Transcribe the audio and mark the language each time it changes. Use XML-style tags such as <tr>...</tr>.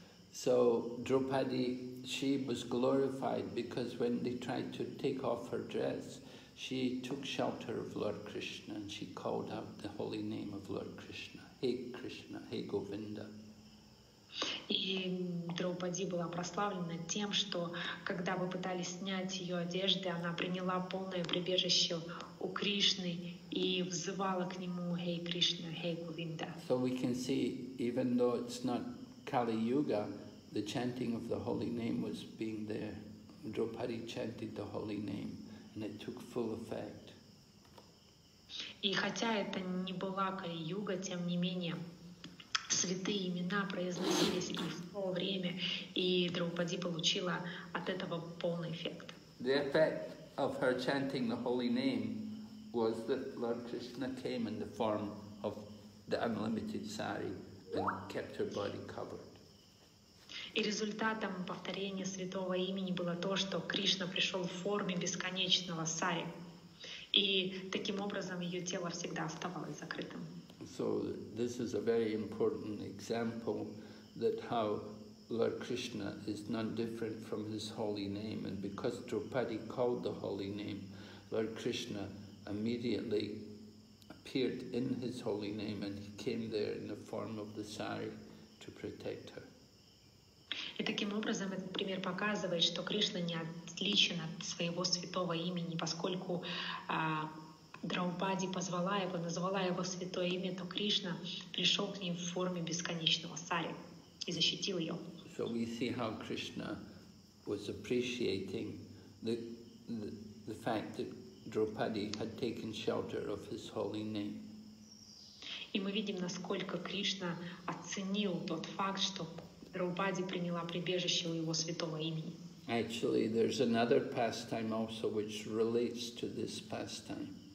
<en>So Draupadi, she was glorified because when they tried to take off her dress, she took shelter of Lord Krishna and she called out the holy name of Lord Krishna, Hey Krishna, Hey Govinda.</en> <ru>И Драупади была прославлена тем, что когда вы пытались снять ее одежды, она приняла полное прибежище у Кришны и взывала к нему, Hey Krishna, Hey Govinda.</ru> <en>So we can see, even though it's not Kali Yuga, the chanting of the holy name was being there. Draupadi chanted the holy name and it took full effect.</en> <ru>И хотя это не была Кали-Юга, тем не менее святые имена произносились и в то время, и Драупади получила от этого полный эффект.</ru> <en>The effect of her chanting the holy name was that Lord Krishna came in the form of the unlimited sari and kept her body covered.</en> <ru>И результатом повторения святого имени было то, что Кришна пришел в форме бесконечного сари, и таким образом ее тело всегда оставалось закрытым.</ru> <en>So this is a very important example that how Lord Krishna is not different from his holy name, and because Draupadi called the holy name, Lord Krishna immediately appeared in his holy name and he came there in the form of the sari to protect her.</en> <ru>И таким образом этот пример показывает, что Кришна не отличен от своего святого имени, поскольку Драупади позвала его, назвала его святое имя, то Кришна пришел к ней в форме бесконечного сари и защитил ее.</ru> <en>So we see how Krishna was appreciating the fact that Draupadi had taken shelter of his holy name.</en> <ru>И мы видим, насколько Кришна оценил тот факт, что Драупади приняла прибежище у его святого имени.</ru> <en>Actually, there's another pastime also which relates to this pastime.</en>